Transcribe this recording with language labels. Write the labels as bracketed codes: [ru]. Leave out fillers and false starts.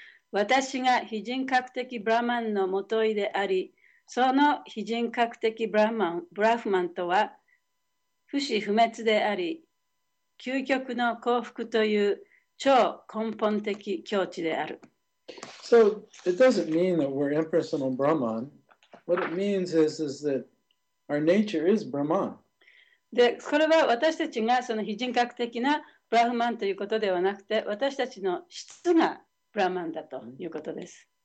[ja] 私が非人格的ブラマンのもといであり、その非人格的ブラフマンとは不死不滅であり、究極の幸福という超根本的境地である。 [en] So it doesn't mean that we're impersonal Brahman. What it means is that our nature is Brahman. [ja] で、これは私たちがその非人格的なブラフマンということではなくて、私たちの質がブラマンだということです。